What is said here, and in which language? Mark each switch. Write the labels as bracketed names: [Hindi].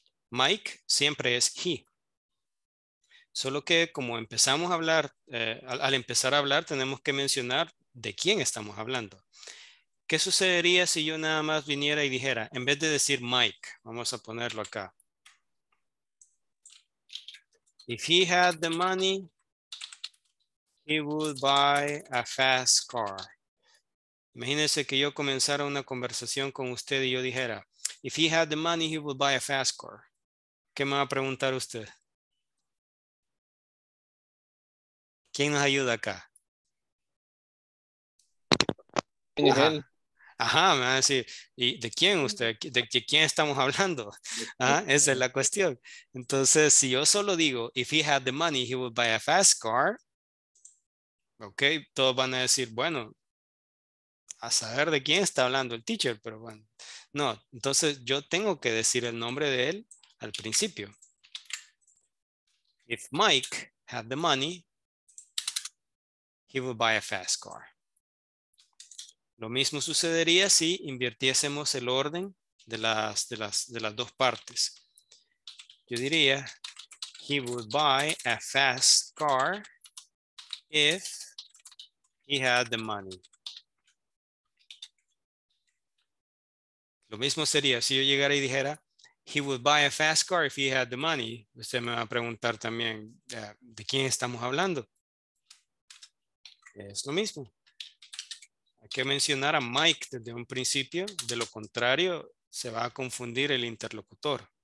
[Spanish] Mike siempre es he. Solo que como empezamos a hablar, al empezar a hablar, tenemos que mencionar de quién estamos hablando. ¿Qué sucedería si yo nada más viniera y dijera, en vez de decir Mike, vamos a ponerlo acá? [English] If he had the money, he would buy a fast car. [Spanish] Imagínese que yo comenzara una conversación con usted y yo dijera, [English] if he had the money, he would buy a fast car. [Spanish] ¿Qué me va a preguntar usted? ¿Quién nos ayuda acá? Ajá, me van a decir, ¿y de quién usted? ¿De quién estamos hablando? ¿Ah? Esa es la cuestión. Entonces, si yo solo digo, [English] if he had the money, he would buy a fast car. [Spanish] Ok, todos van a decir, bueno, a saber de quién está hablando el teacher, pero bueno. No, entonces yo tengo que decir el nombre de él al principio. [English] If Mike had the money, he would buy a fast car. [Spanish] Lo mismo sucedería si invirtiésemos el orden de las dos partes. Yo diría, [English] he would buy a fast car if he had the money. [Spanish] Lo mismo sería si yo llegara y dijera, [English] he would buy a fast car if he had the money. [Spanish] Usted me va a preguntar también, ¿de quién estamos hablando? Es lo mismo. Hay que mencionar a Mike desde un principio, de lo contrario se va a confundir el interlocutor.